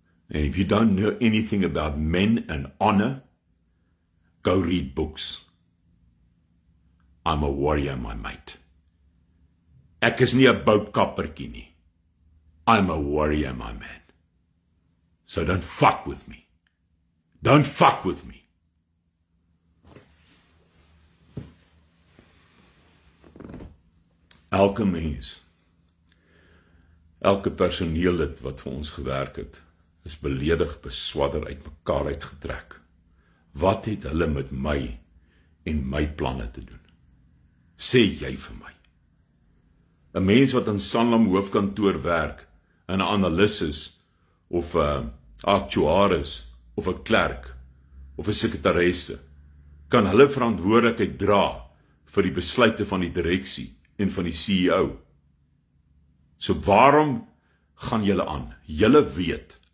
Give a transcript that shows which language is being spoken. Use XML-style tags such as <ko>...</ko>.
<en>And if you don't know anything about men and honor, go read books. I'm a warrior, my mate.</en> <af>Ek is nie 'n boutkappertjie nie.</af> <en>I'm a warrior, my man. So don't fuck with me. Don't fuck with me.</en> <af>Elke mens, elke personeellid wat vir ons gewerk het, is beledig, beswadder, uit mekaar uitgetrek. Wat het hulle met my en my planne te doen? Sê jy vir my. 'N mens wat in Sanlam hoofkantoor werk, 'n analis is, of 'n aktuaris, of 'n klerk, of 'n sekretaresse, kan hulle verantwoordelikheid dra vir die besluite van die direksie en van die CEO. So waarom gaan julle aan? Julle weet,</af>